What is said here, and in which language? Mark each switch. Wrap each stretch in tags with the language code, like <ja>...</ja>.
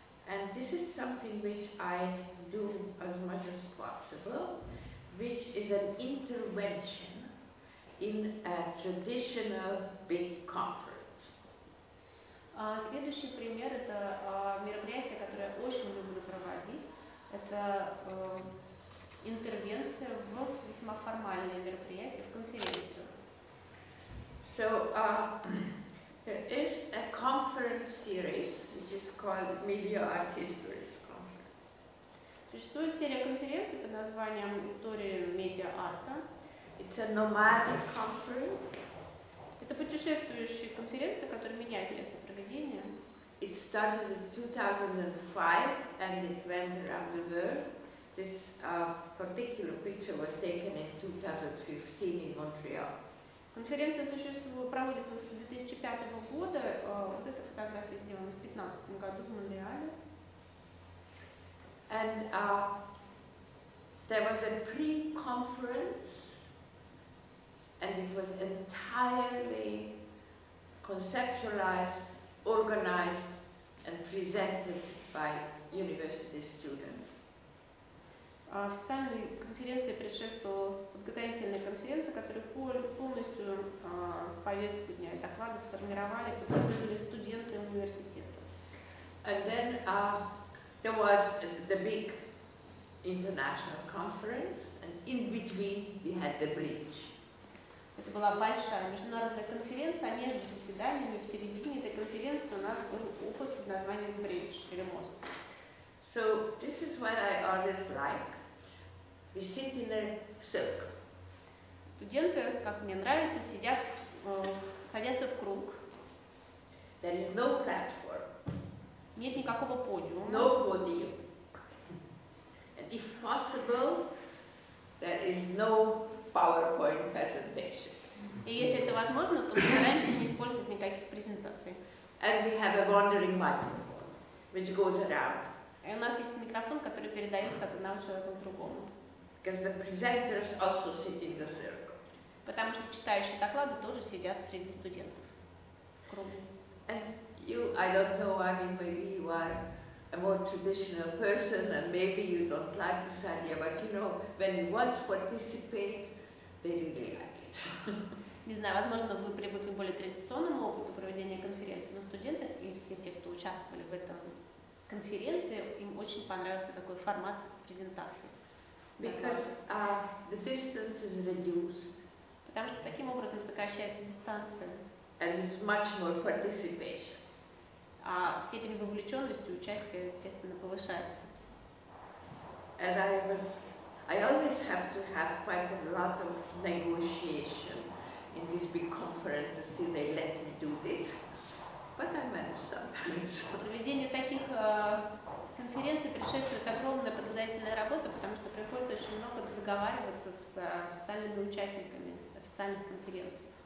<en>And this is something which I do as much as possible, which is an intervention in a traditional big conference.</en> <ru>Следующий пример – это мероприятие, которое я очень люблю проводить. Это интервенция в весьма формальное мероприятие, в конференцию.</ru> <en>So, there is a conference series, which is called Media Art Histories Conference.</en> <ru>Существует серия конференций под названием «История медиа-арта».</ru> <en>It's a nomadic conference.</en> <ru>Это путешествующая конференция, которая меняет место проведения.</ru> <en>It started in 2005 and it went around the world. This particular picture was taken in 2015 in Montreal.</en> <ru>Конференция проводится с 2005 года. Вот эта фотография сделана в 2015 году в Монреале.</ru> <en>And there was a pre-conference, and it was entirely conceptualized, organized, and presented by university students.</en> <ru>Официальной конференции предшествовала подготовительная конференция, которую полностью повестку дня и доклады сформировали и подготовили студенты университета.</ru> <en>And then there was the big international conference, and in between we had the bridge.</en> <ru>Это была большая международная конференция, а между заседаниями в середине этой конференции у нас был опыт под названием bridge или мост.</ru> <en>So this is what I always like. We sit in a circle.</en> <ru>Студенты, как мне нравится, сидят, садятся в круг.</ru> <en>There is no platform.</en> <ru>Нет никакого подиума.</ru> <en>No podium. And if possible, there is no PowerPoint presentation.</en> <ru>И если это возможно, то мы стараемся не использовать никаких презентаций.</ru> <en>And we have a wandering microphone, which goes around.</en> <ru>И у нас есть микрофон, который передается от одного человека к другому.</ru> <en>Because the presenters also sit in the circle.</en> <ru>Потому что читающие доклады тоже сидят среди студентов.</ru> <en>And you, I don't know, I mean, maybe you are a more traditional person and maybe you don't like this idea, but you know, when you want to participate, they really like it.</en> <ru>Не знаю, возможно, вы привыкли к более традиционному опыту проведения конференции, но студенты и все те, кто участвовали в этом конференции, им очень понравился такой формат презентации.</ru> <en>Because the distance is reduced.</en> <ru>Потому что таким образом сокращается дистанция.</ru> <en>And it's much more participation.</en> <ru>А степень вовлеченности, участия, естественно, повышается.</ru> <en>And I always have to have quite a lot of negotiation in these big conferences till they let me do this. But I manage sometimes.</en> <ru>Проведению таких конференций предшествует огромная подготовительная работа, потому что приходится очень много договариваться с официальными участниками официальных конференций.</ru>